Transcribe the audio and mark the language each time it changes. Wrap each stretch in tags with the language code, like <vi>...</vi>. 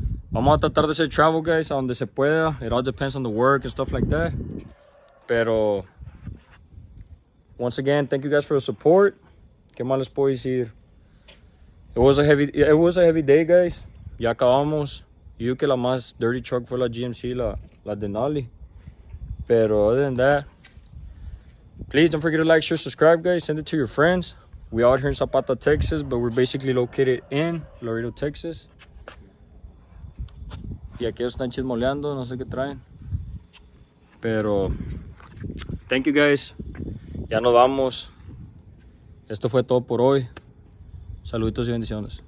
<es>Vamos a tratar de hacer travel, guys, a donde se pueda.</es> <en>It all depends on the work and stuff like that. Pero once again, thank you guys for the support.</en> <es>¿Qué más les puedo decir?</es> <en>It was a heavy day, guys.</en> <es>Ya acabamos. Yo que la más</es> <en>dirty truck</en> <es>fue la GMC, la Denali.</es> <en>Pero other than that, please don't forget to like, share, subscribe, guys. Send it to your friends. We are here in Zapata, Texas, but we're basically located in Laredo, Texas.</en> <es>Y aquí están chismoleando, no sé qué traen. Pero</es> <en>thank you, guys.</en> <es>Ya nos vamos. Esto fue todo por hoy. Saluditos y bendiciones.</es>